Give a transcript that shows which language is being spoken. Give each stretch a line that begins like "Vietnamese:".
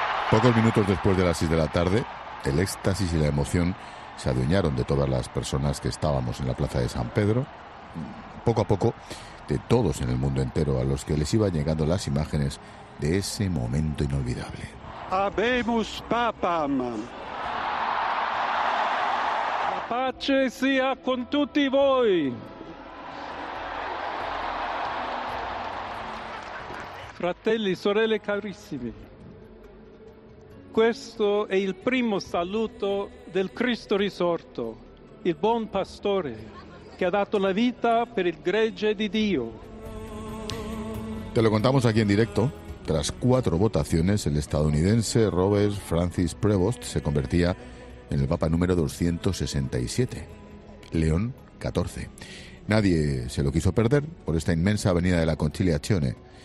Spanish: Pocos minutos después de las 6 de la tarde, el éxtasis y la emoción se adueñaron de todas las personas que estábamos en la Plaza de San Pedro, poco a poco de todos en el mundo entero a los que les iban llegando las imágenes de ese momento inolvidable.
Latin: Habemus Papam.
Italian: La pace sia con tutti voi. Fratelli, sorelle carissimi. Questo è il primo saluto del Cristo risorto, il buon pastore che ha dato la vita per il gregge di Dio.
Spanish: Te lo contamos aquí en directo. Tras 4 votaciones, el estadounidense Robert Francis Prevost se convertía en el Papa número 267, León XIV. Nadie se lo quiso perder por esta inmensa avenida de la Conciliazione.